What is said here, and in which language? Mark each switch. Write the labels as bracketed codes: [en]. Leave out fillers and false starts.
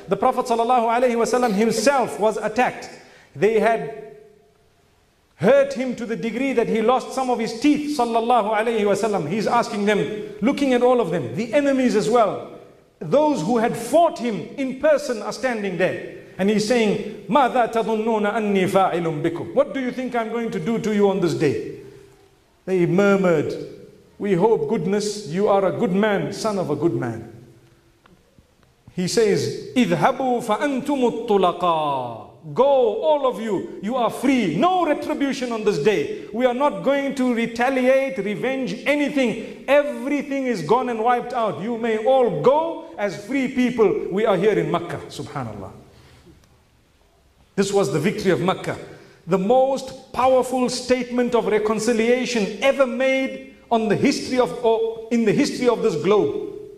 [en] The Prophet ﷺ himself was attacked. They had hurt him to the degree that he lost some of his teeth, sallallahu alayhi wasallam. He's asking them, looking at all of them, the enemies as well, those who had fought him in person are standing there. And he's saying, [ar] مَاذَا تَظُنُّونَ أَنِّي فَاعِلٌ بِكُمْ. [en] What do you think I'm going to do to you on this day? They murmured, we hope goodness, you are a good man, son of a good man. He says, [ar] اِذْهَبُوا فَأَنْتُمُ الطُّلَقَاءُ. [en] Go, all of you, you are free. No retribution on this day. We are not going to retaliate, revenge, anything. Everything is gone and wiped out. You may all go as free people. We are here in Makkah, subhanallah. This was the victory of Makkah, the most powerful statement of reconciliation ever made on the history of, or in the history of this globe.